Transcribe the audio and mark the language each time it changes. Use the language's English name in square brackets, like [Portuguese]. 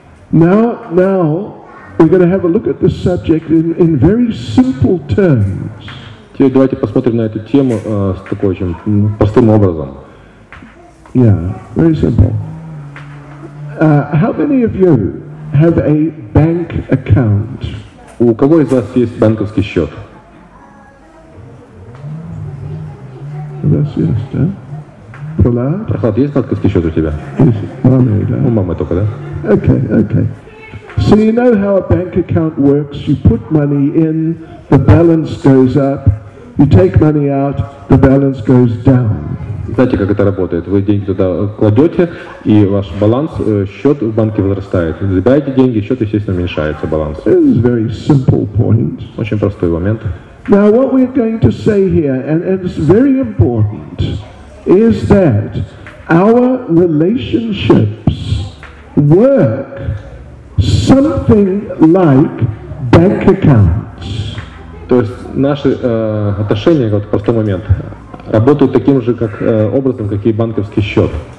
[English] Now we're going to have a look at this subject in very simple terms. [Russian] Теперь давайте посмотрим на эту тему с такой очень простым образом. [English] Yeah, very simple. How many of you have a bank account? [Russian] У кого из вас есть банковский счет? [English] Yes, yes, да? Прохлад? [Russian] Прохлад, есть банковский счет у тебя? Yes, мамы, да? У мамы только, да? [English] Okay. So you know how a bank account works. You put money in, the balance goes up. You take money out, the balance goes down. [Russian] Знаете, как это работает? Вы деньги туда кладете, и ваш баланс, счет в банке возрастает. Забираете деньги, счет, естественно, уменьшается, баланс. [English] This is a very simple point. [Russian] Очень простой момент. [English] Now what we're going to say here, and it's very important, is that our relationships work something like bank accounts. [Russian] То есть наши отношения, вот простой момент, работают таким же как образом, как и банковский счет.